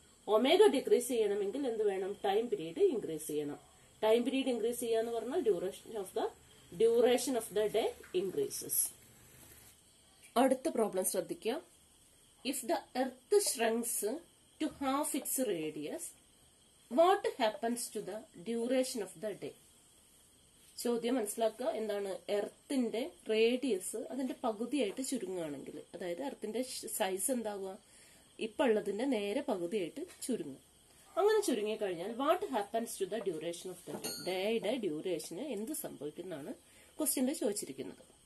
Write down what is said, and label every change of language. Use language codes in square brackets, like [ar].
[ml] Omega decrease ചെയ്യണമെങ്കിൽ എന്ത് വേണം? ടൈം പീരീഡ് ഇൻക്രീസ് ചെയ്യണം. ടൈം പീരീഡ് ഇൻക്രീസ് ചെയ്യുക എന്ന് പറഞ്ഞാൽ duration of the day increases. അടുത്ത പ്രോബ്ലം ശ്രദ്ധിക്കുക. [en] If the earth shrinks to half its radius, What happens to the duration of the day? [ml] ചോദ്യം മനസ്സിലാക്കുക. എന്താണ് എർത്തിന്റെ റേഡിയസ്? അതിന്റെ പകുതിയായിട്ട് ചുരുങ്ങുകയാണെങ്കിൽ, അതായത് എർത്തിന്റെ സൈസ് എന്താകുക? ഇപ്പൊ ഉള്ളതിന്റെ നേരെ പകുതിയായിട്ട് ചുരുങ്ങും. അങ്ങനെ ചുരുങ്ങിക്കഴിഞ്ഞാൽ [en] What happens to the duration of the day? [ml] ഡേയുടെ ഡ്യൂറേഷന് എന്ത് സംഭവിക്കും എന്നാണ് ക്വസ്റ്റ്യൻ ചോദിച്ചിരിക്കുന്നത്.